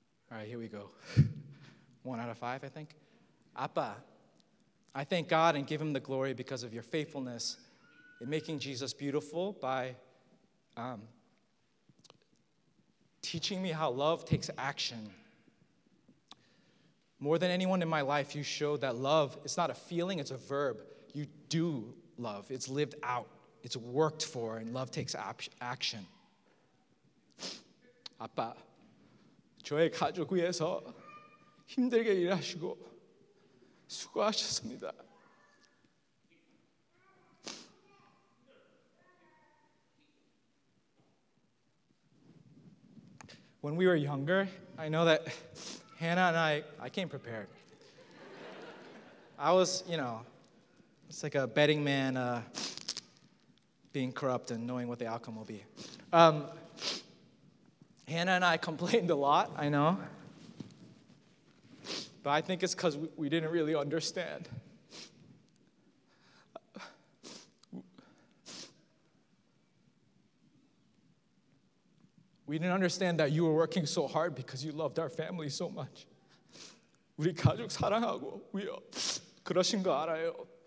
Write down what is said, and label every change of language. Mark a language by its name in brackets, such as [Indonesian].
[English] All right, here we go. 1 out of 5, I think. Appa, I thank God and give him the glory because of your faithfulness in making Jesus beautiful by teaching me how love takes action. More than anyone in my life, you showed that love is not a feeling, it's a verb. You do love. It's lived out. It's worked for, and love takes action. [Korean] 아빠, 저의 가족 위해서 힘들게 일하시고 수고하셨습니다. [English] When we were younger, I know that Hannah and I came prepared. I was, you know, it's like a betting man being corrupt and knowing what the outcome will be. Hannah and I complained a lot, I know. But I think it's because we didn't really understand. We didn't understand that you were working so hard because you loved our family so much. [Korean] 우리 가족 사랑하고 위여 그러신 거 알아요.